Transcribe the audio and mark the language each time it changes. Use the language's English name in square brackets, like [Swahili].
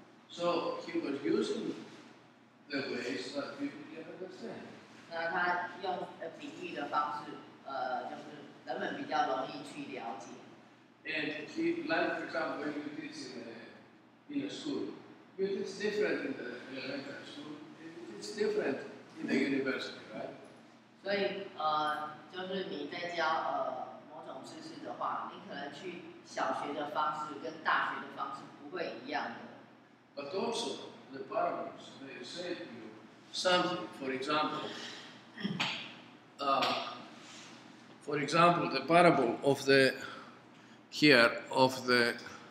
[English] So he was using the ways that people can understand. [Chinese] 那他用比喻的方式，就是人们比较容易去了解。 [English] And he, like for example, when you teach in a school, you teach different in the elementary school. It's different in the university, right? [Chinese] 所以，就是你在教知识的话，你可能去小学的方式跟大学的方式不会一样的。 [English] But also the parables may say to you something. For example, the parable of the here of the